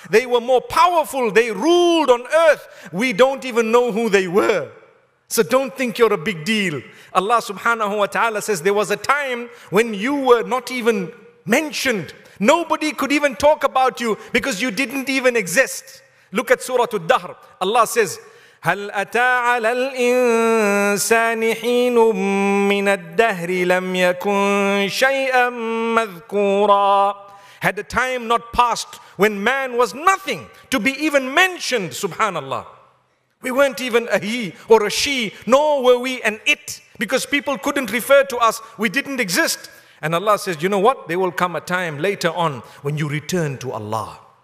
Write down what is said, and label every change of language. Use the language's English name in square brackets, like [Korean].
[English] They were more powerful. They ruled on earth. We don't even know who they were. So don't think you're a big deal. Allah subhanahu wa ta'ala says, there was a time when you were not even mentioned. Nobody could even talk about you because you didn't even exist. Look at Surah Ad-Dahr. Allah says, [Arabic] هل أتى على الإنسان حين من الدهر لم يكن شيئا مذكورا. [English] Had the time not passed when man was nothing to be even mentioned, subhanallah. We weren't even a he or a she, nor were we an it, because people couldn't refer to us, we didn't exist. And Allah says, you know what? There will come a time later on when you return to Allah.